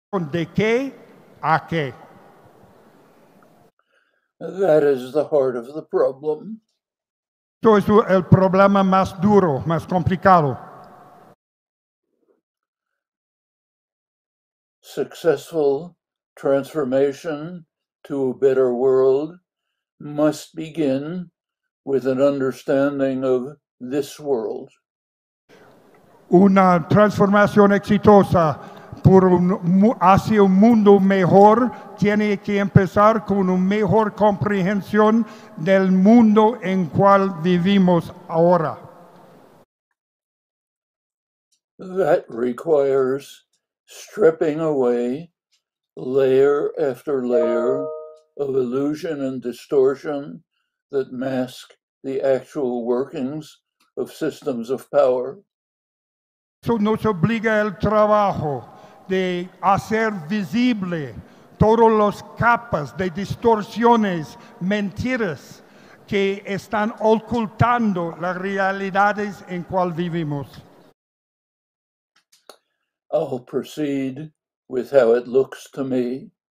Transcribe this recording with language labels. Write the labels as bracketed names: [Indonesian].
[Spanish] De qué a qué? [English] That is the heart of the problem. [Spanish] Esto es el problema más duro, más complicado. [English] Successful transformation to a better world must begin with an understanding of this world. [Spanish] Una transformación exitosa hacia un mundo mejor tiene que empezar con una mejor comprensión del mundo en cual vivimos ahora. [English] That requires stripping away layer after layer of illusion and distortion that mask the actual workings of systems of power. [Spanish] Eso nos obliga el trabajo de hacer visible todos los capas de distorsiones, mentiras que están ocultando las realidades en cual vivimos. [English] I'll proceed with how it looks to me.